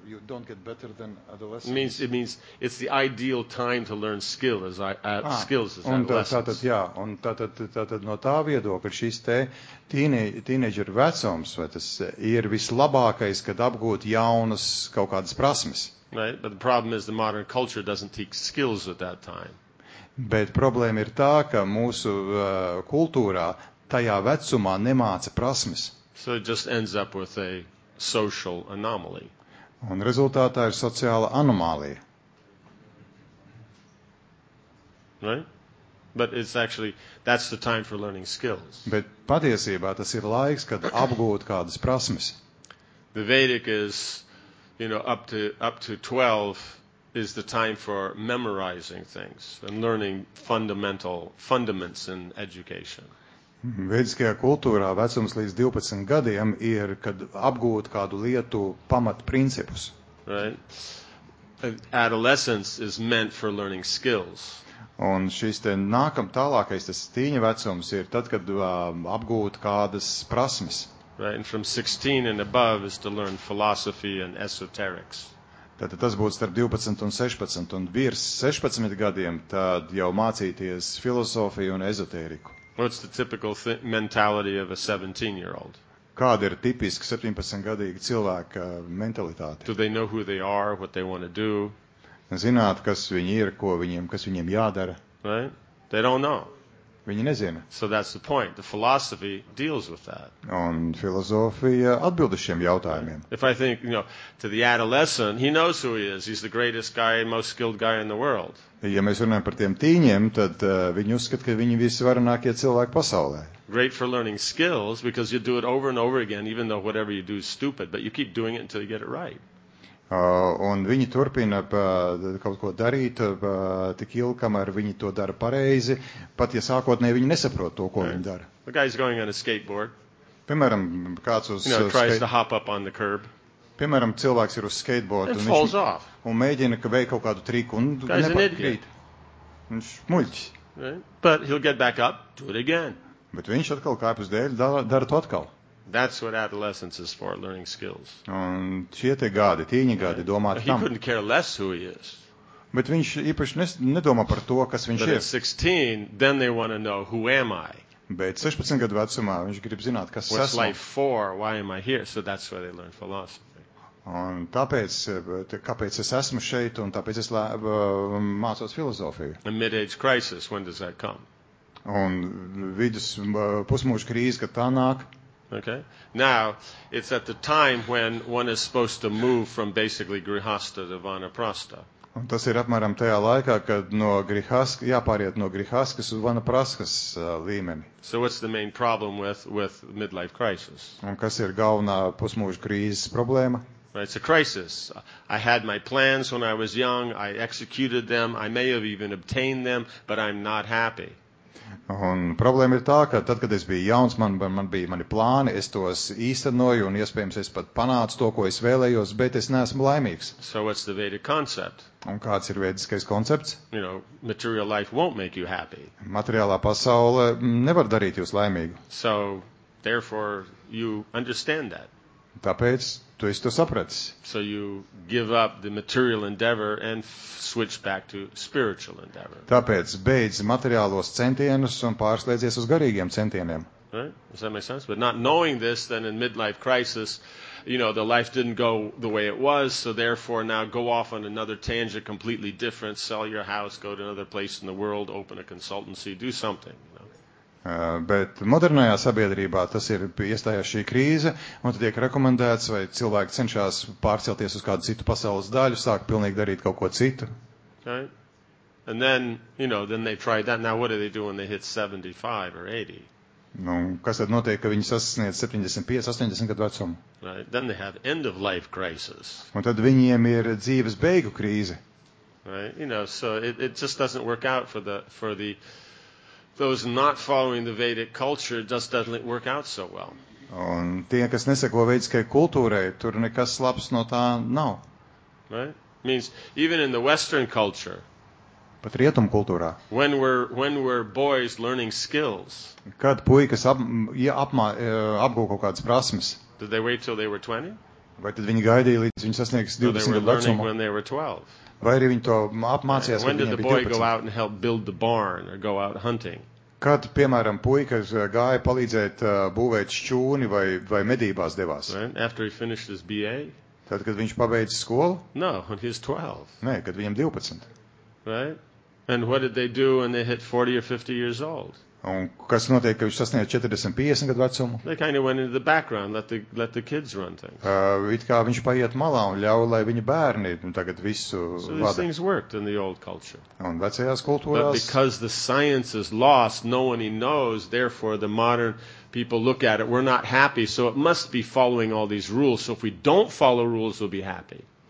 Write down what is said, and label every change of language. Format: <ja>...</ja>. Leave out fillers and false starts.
<en>You don't get better than adolescents. It means it's the ideal time to learn skills as adolescents.</en> <lv>Tātad no tā viedokļa šis te tīneidžera vecums, vai tas ir vislabākais, kad apgūt jaunas kaut kādas prasmes.</lv> <en>Right, but the problem is the modern culture doesn't teach skills at that time.</en> <lv>Bet problēma ir tā, ka mūsu kultūrā tajā vecumā nemāca prasmes.</lv> <en>So it just ends up with a social anomaly.</en> <lv>Un rezultātā ir sociāla anomālija.</lv> <en>Right? But it's actually, that's the time for learning skills.</en> <lv>Bet patiesībā tas ir laiks, kad apgūt kādas prasmes.</lv> <en>The Vedic is, you know, up to 12 is the time for memorizing things and learning fundamentals in education.</en> <lv>Vediskajā kultūrā vecums līdz 12 gadiem ir, kad apgūt kādu lietu pamat principus.</lv> <en>Right. Adolescence is meant for learning skills.</en> <lv>Un šis te nākam tālākais, tas tīņa vecums, ir tad, kad apgūt kādas prasmes.</lv> <en>Right, and from 16 and above is to learn philosophy and esoterics.</en> <lv>Tad tas būtu starp 12 un 16, un virs 16 gadiem tad jau mācīties filozofiju un ezotēriku.</lv> <en>What's the typical mentality of a 17-year-old?</en> <lv>Kāda ir tipiska 17-gadīga cilvēka mentalitāte?</lv> <en>Do they know who they are, what they want to do?</en> <lv>Zināt, kas viņi ir, ko viņiem, kas viņiem jādara?</lv> <en>Right? They don't know.</en> <lv>Viņi nezina.</lv> <en>So that's the point. The philosophy deals with that.</en> <lv>Un filozofija atbild uz šiem jautājumiem.</lv> <en>If I think, you know, to the adolescent, he knows who he is. He's the greatest guy, most skilled guy in the world.</en> <lv>Ja mēs runājam par tiem tīņiem, tad viņi uzskata, ka viņi visvarenākie cilvēki pasaulē.</lv> <en>Great for learning skills because you do it over and over again even though whatever you do is stupid, but you keep doing it until you get it right.</en> <lv>Un viņi turpina kaut ko darīt tik ilgi, kamēr viņi to dara pareizi, pat ja sākotnēji viņi nesaprot to, ko viņi dara.</lv> <en>The guy's going on a skateboard.</en> <lv>Piemēram, kāds uz</lv> <en>tries to hop up on the curb.</en> <lv>Piemēram, cilvēks ir uz skateboardu</lv> <en>un falls off.</en> <lv>Un mēģina, ka veik kaut kādu triku un nepatrīt. Viņš muļķis.</lv> <en>Right? But he'll get back up, do it again.</en> <lv>Bet viņš atkal kāpjas dēļ, dara to atkal.</lv> <en>That's what adolescence is for, learning skills.</en> <lv>Un šie te gadi, tīņi gadi, yeah. Domāt</lv> <en>tam. He couldn't care less who he is.</en> <lv>Bet viņš īpaši nedomā par to, kas viņš</lv> <en>But</en> <lv>ir.</lv> <en>But at 16, then they want to know, who am I?</en> <lv>Bet 16 gadu vecumā viņš grib zināt, kas</lv> <en>What's</en> <lv>esmu.</lv> <en>What's life for? Why am I here? So that's where they learn philosophy.</en> <lv>Un kāpēc es esmu šeit, un tāpēc es mācos filozofiju.</lv> <en>A mid-age crisis, when does that come?</en> <lv>Un vidus pusmūža krīze, kad tā nāk.</lv> <en>Okay. Now, it's at the time when one is supposed to move from basically grihastha to vanaprastha.</en> <lv>Un tas ir apmēram tajā laikā, kad no grihastha jāpāriet no grihastkas uz vanaprastkas līmeni.</lv> <en>So what's the main problem with midlife crisis?</en> <lv>Un kas ir galvenā pusmūža krīzes problēma?</lv> <en>Right, it's a crisis. I had my plans when I was young, I executed them, I may have even obtained them, but I'm not happy.</en> <lv>Un problēma ir tā, ka tad, kad es biju jauns, man bija mani plāni, es tos īstenoju un iespējams es pat panācu to, ko es vēlējos, bet es neesmu laimīgs.</lv> <en>So what's the Vedic concept?</en> <lv>Un kāds ir vēdiskais koncepts?</lv> <en>You know, material life won't make you happy.</en> <lv>Materiālā pasaule nevar darīt jūs laimīgu.</lv> <en>So, therefore, you understand that.</en> <lv>Tāpēc tu esi to sapratis.</lv> <en>So you give up the material endeavor and switch back to spiritual endeavor.</en> <lv>Tāpēc beidz materiālos centienus un pārslēdzies uz garīgiem centieniem.</lv> <en>Right? Does that make sense? But not knowing this, then in midlife crisis, you know, the life didn't go the way it was, so therefore now go off on another tangent, completely different, sell your house, go to another place in the world, open a consultancy, do something.</en> <lv>Bet modernajā sabiedrībā tas ir iestājās šī krīze, un tad tiek rekomendēts, vai cilvēki cenšās pārcelties uz kādu citu pasaules daļu, sāk pilnīgi darīt kaut ko citu.</lv> <en>Okay. And then, you know, then they try that. Now what do they do when they hit 75 or 80?</en> <lv>Nu, kas tad notiek, ka viņi sasniedz 75, 80 gadu vecumu?</lv> <en>Right. Then they have end of life crisis.</en> <lv>Un tad viņiem ir dzīves beigu krīze.</lv> <en>Right. You know, so it just doesn't work out for the those not following the Vedic culture just doesn't work out so well.</en> <lv>Un tie, kas neseko vediskai kultūrai, tur nekas labs no tā nav.</lv> <en>Right? Means even in the Western culture.</en> <lv>Pat rietumu kultūrā.</lv> <en>When were boys learning skills?</en> <lv>Kad puikas apgūst kaut kādas prasmes?</lv> <en>Did they wait till they were 20?</en> <lv>Vai tad viņi gaidīja, līdz viņi sasniegs 20 gadu vecumu?</lv> <en>When they were 12.</en> <lv>Vai arī viņi to apmācījās, kad viņiem bija 12? Kad, piemēram, puikas gāja palīdzēt būvēt šķūni vai medībās devās?</lv> <en>Right? After he finished his BA?</en> <lv>Tad, kad viņš pabeidza skolu?</lv> <en>No, when he's 12.</en> <lv>Nē, kad viņam 12.</lv> <en>Right? And what did they do when they hit 40 or 50 years old?</en> <lv>Un kas notiek, ka viņš sasniedz 40-50 gadu vecumu?</lv> <en>They kind of went into the background, let the kids run things.</en> <lv>It kā viņš paiet malā un ļauj, lai viņa bērni tagad visu vada.</lv> <en>So these things worked in the old culture.</en> <lv>Un vecajās kultūrās.</lv> <en>But because the science is lost, no one knows, therefore the modern people look at it, we're not happy, so it must be following all these rules, so if we don't follow rules, we'll be happy.</en>